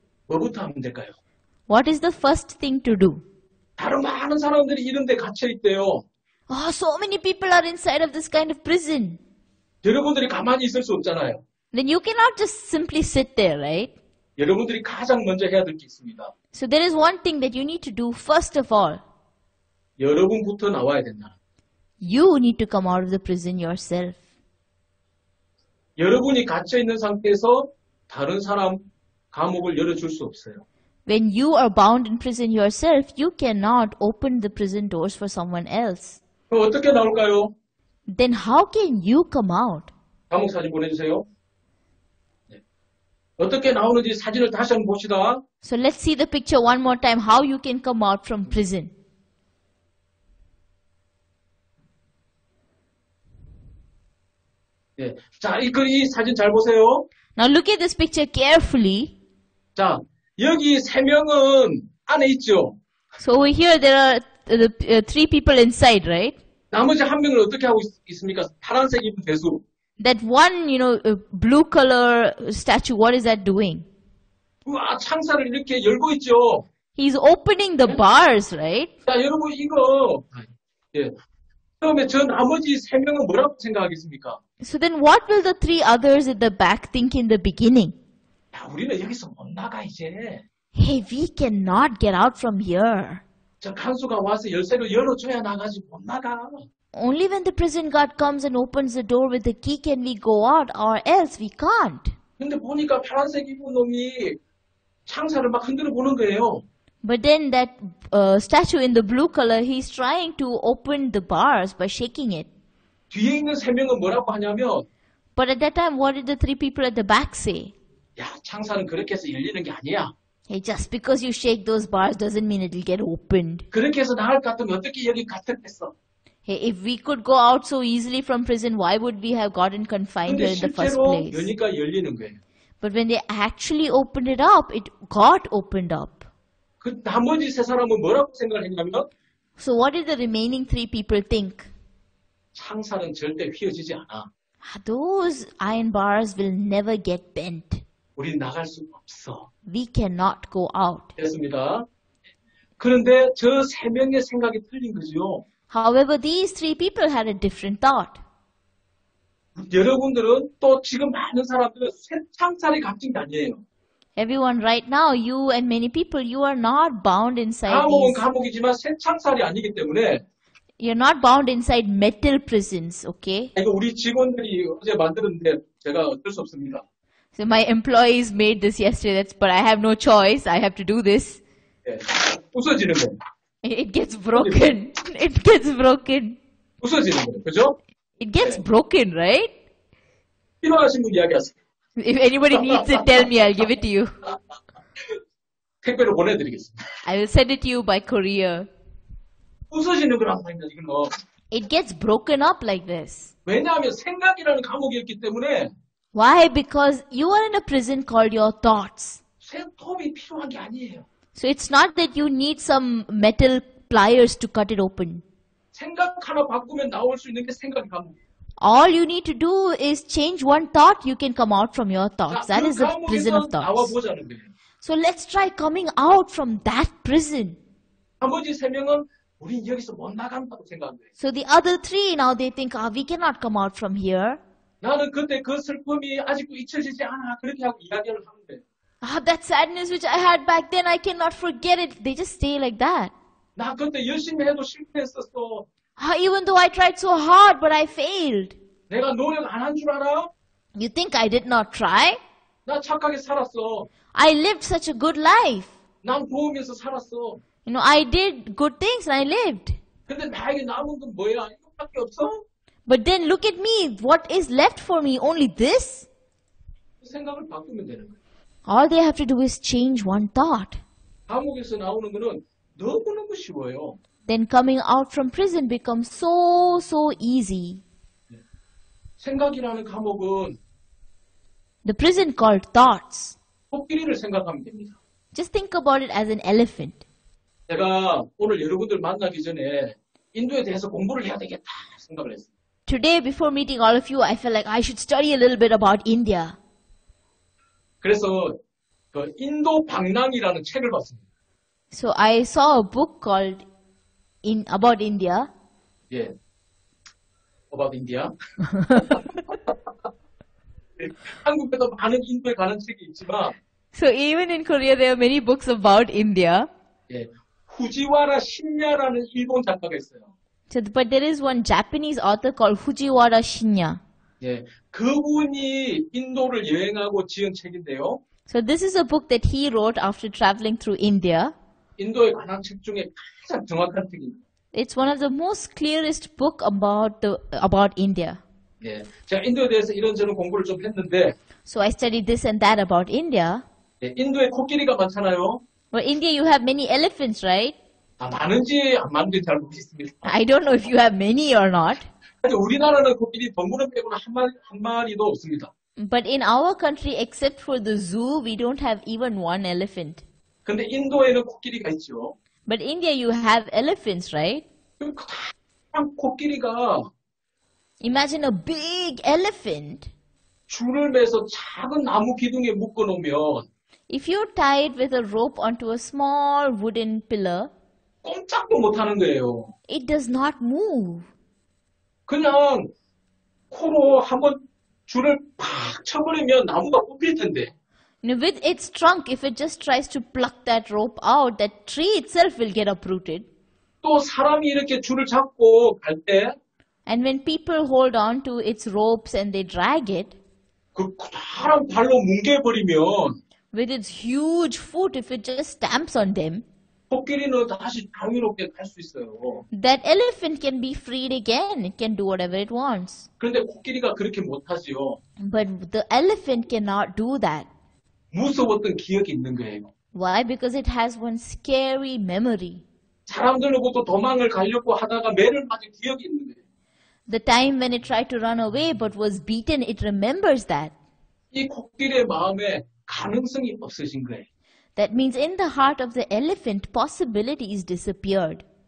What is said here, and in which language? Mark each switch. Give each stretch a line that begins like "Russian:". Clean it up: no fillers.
Korean: 뭐부터 하면 될까요?
English: What is the first thing to do?
Korean: 다른 많은 사람들이 이런 데 갇혀 있대요.
English: Oh, so many people are inside of this kind of prison.
Korean: 여러분들이 가만히 있을 수 없잖아요.
English: Then you cannot just simply sit there, right?
Korean: 여러분들이 가장 먼저 해야 될 게 있습니다.
English: So there is one thing that you need to do first of all.
Korean: 여러분부터 나와야 된다.
English: You need to come out of the prison yourself.
Korean: 여러분이 갇혀 있는 상태에서 다른 사람 감옥을 열어줄 수 없어요.
English: When you are bound in prison yourself, you cannot open the prison doors for someone else.
Korean: 그럼 어떻게 나올까요?
English: Then how can you come out?
Korean: 감옥 사진 보내주세요. 어떻게 나오는지 사진을 다시 한번 봅시다.
English: So let's see the picture one more time, how you can come out from prison.
Korean: 예. 자, 이 사진 잘 보세요.
English: Now look at this picture carefully.
Korean: 자, 여기 세 명은 안에 있죠.
English: So over here there are the three people inside, right?
Korean: 나머지 한 명은 어떻게 하고 있습니까? 파란색 입은 대수.
English: That one, you know, blue color statue, what is that doing?
Korean: 우와, 창살을 이렇게 열고 있죠.
English: He's opening the bars, right?
Korean: 자, 여러분 이거 예. 처음에 저 나머지 세 명은 뭐라고 생각하겠습니까?
English: So then what will the three others at the back think in the beginning?
Korean: 야, 우리는 여기서 못 나가 이제.
English: Hey, we cannot get out from here.
Korean: 저 간수가 와서 열쇠를 열어줘야 나가지 못 나가.
English: Only when the prison guard comes and opens the door with the key can we go out, or else we can't.
Korean: 근데 보니까 파란색 입은 놈이 창살을 막 흔들어 보는 거예요.
English: But then that statue in the blue color, he's trying to open the bars by shaking it.
Korean: 뒤에 있는 세 명은 뭐라고 하냐면,
English: But at that time, what did the three people at the back say?
Korean: 야, 창살은 그렇게 해서 열리는 게 아니야.
English: Hey, just because you shake those bars doesn't mean it'll get opened.
Korean: 그렇게 해서 나갈 것 같으면 어떻게 여기 갇혔겠어?
English: Hey, if we could go out so easily from prison, why would we have gotten confined here in the first place?
Korean: 근데 실제로 여기가 열리는 거예요.
English: But when they actually opened it up, it got opened up.
Korean: 그 나머지 세 사람은 뭐라고 생각을 했냐면,
English: So what did the remaining three people think?
Korean: 창살은 절대 휘어지지 않아.
English: Those iron bars will never get bent.
Korean: 우리는 나갈 수 없어.
English: We cannot go out.
Korean: 됐습니다. 그런데 저 세 명의 생각이 틀린 거죠.
English: However, these three people had a different thought.
Korean: 여러분들은 또 지금 많은 사람들은 새 창살이 갇힌 게 아니에요.
English: Everyone, right now, you and many people, you are not bound inside.
Korean: 감옥은
English: these...
Korean: 감옥이지만 새 창살이 아니기 때문에.
English: You're not bound inside metal prisons, okay?
Korean: 이거 우리 직원들이 어제 만들었는데 제가 어쩔 수 없습니다.
English: So my employees made this yesterday. That's, but I have no choice. I have to do this.
Korean: 예, 부서지는 거.
English: It gets broken. It gets broken.
Korean: 부서지는 거, 그죠?
English: It gets
Korean: 네.
English: broken, right?
Korean: 필요하신 분 이야기하세요.
English: If anybody needs it, tell me. I'll give it to you.
Korean: 택배로 보내드리겠습니다.
English: I will send it to you by courier.
Korean: 부서지는 거란 말입니다, 지금 뭐.
English: It gets broken up like this.
Korean: 왜냐하면 생각이라는 감옥이었기 때문에.
English: Why? Because you are in a prison called your thoughts.
Korean: 생톱이 필요한 게 아니에요.
English: So it's not that you need some metal pliers to cut it open.
Korean: 생각 하나 바꾸면 나올 수 있는 게 생각 감옥.
English: All you need to do is change one thought, you can come out from your thoughts. 자, that is the prison of thoughts.
Korean: 나와보자는 거예요.
English: So let's try coming out from that prison.
Korean: 나머지 세 명은 우린 여기서 못 나간다고 생각해요.
English: So the other three now they think, ah, we cannot come out from here.
Korean: 나는 그때 그 슬픔이 아직도 잊혀지지 않아 그렇게 하고 이야기를 하는데.
English: Ah, that sadness which I had back then, I cannot forget it. They just stay like that.
Korean: 나 그때 열심히 해도 실패했었어.
English: Ah, even though I tried so hard, but I failed.
Korean: 내가 노력 안 한 줄 알아?
English: You think I did not try?
Korean: 나 착하게 살았어.
English: I lived such a good life.
Korean: 난 보험에서 살았어.
English: You know, I did good things and I lived.
Korean: 근데 나에게 남은 건 뭐야? 이것밖에 없어?
English: But then look at me. What is left for me? Only this?
Korean: 생각을 바꾸면 되는 거야.
English: All they have to do is change one thought.
Korean: 감옥에서 나오는 거는 너무너무 쉬워요.
English: Then coming out from prison becomes so, so easy.
Korean: 생각이라는 감옥은
English: The prison called thoughts.
Korean: 코끼리를 생각하면 됩니다.
English: Just think about it as an elephant.
Korean: 제가 오늘 여러분들 만나기 전에 인도에 대해서 공부를 해야 되겠다 생각을 했어요.
English: Today before meeting all of you, I feel like I should study a little bit about India.
Korean: 그래서 그 인도 방랑이라는 책을 봤습니다.
English: So I saw a book called in about India. 예, yeah. about India.
Korean: 한국에도 많은 인도에 가는 책이 있지만.
English: So even in Korea, there are many books about India.
Korean: 예, 후지와라 신야라는 일본 작가가 있어요.
English: So, but there is one Japanese author called Fujiwara Shinya.
Korean: 예, 그분이 인도를 여행하고 지은 책인데요.
English: So this is a book that he wrote after traveling through India.
Korean: 인도의 관항 책 중에 가장 정확한 책입니다.
English: It's one of the most clearest book about India.
Korean: 예, 제가 인도에 대해서 이런저런 공부를 좀 했는데.
English: So I studied this and that about India.
Korean: 예, 인도에 코끼리가 많잖아요.
English: Well, India, you have many elephants, right?
Korean: 아, 많은지 안 많은지 잘 모르겠습니다.
English: I don't know if you have many or not.
Korean: 근데 우리나라는 코끼리 동물원 빼고는 한 마리도 없습니다.
English: But in our country, except for the zoo, we don't have even one elephant.
Korean: 근데 인도에는 코끼리가 있죠.
English: But India, you have elephants, right?
Korean: 그냥 코끼리가.
English: Imagine a big elephant.
Korean: 줄을 매서 작은 나무 기둥에 묶어놓으면.
English: If you're tied with a rope onto a small wooden pillar.
Korean: 꼼짝도 못하는 거예요.
English: It does not move.
Korean: 그냥 코로 한번 줄을 팍 쳐버리면 나무가 뽑힐 텐데.
English: Now with its trunk, if it just tries to pluck that rope out, that tree itself will get uprooted.
Korean: 또 사람이 이렇게 줄을 잡고 갈 때.
English: And when people hold on to its ropes and they drag it.
Korean: 그 사람 발로 뭉개버리면.
English: With its huge foot, if it just stamps on them.
Korean: 코끼리는 다시 자유롭게 갈 수 있어요.
English: That elephant can be freed again. It can do whatever it wants.
Korean: 그런데 코끼리가 그렇게 못하지요.
English: But the elephant cannot do that.
Korean: 무서웠던 기억이 있는 거예요.
English: Why? Because it has one scary memory.
Korean: 사람들로부터 도망을 가려고 하다가 매를 맞은 기억이 있는 거예요.
English: The time when it tried to run away but was beaten, it remembers that.
Korean: 이 코끼리의 마음에 가능성이 없어진 거예요.
English: That means in the heart of the elephant, possibility is disappeared.